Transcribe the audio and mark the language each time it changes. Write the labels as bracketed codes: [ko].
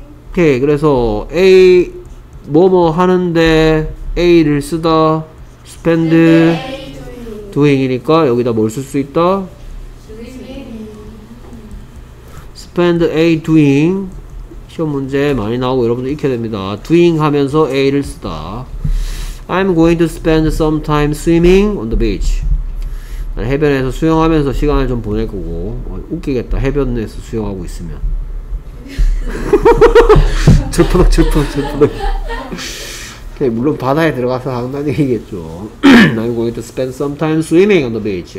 [ko] 오케이. 그래서 A 뭐뭐 하는데 A를 쓰다 spend doing이니까 여기다 뭘 쓸 수 있다? [en] Spend A doing. [ko] 시험 문제 많이 나오고 여러분들 익혀야 됩니다. Doing 하면서 A를 쓰다. [en] I'm going to spend some time swimming on the beach. [ko] 난 해변에서 수영하면서 시간을 좀 보낼 거고. 웃기겠다. 해변에서 수영하고 있으면. 철퍼덕 철퍼덕 철퍼덕. 물론 바다에 들어가서 한다는 얘기겠죠. [en] I'm going to spend some time swimming on the beach.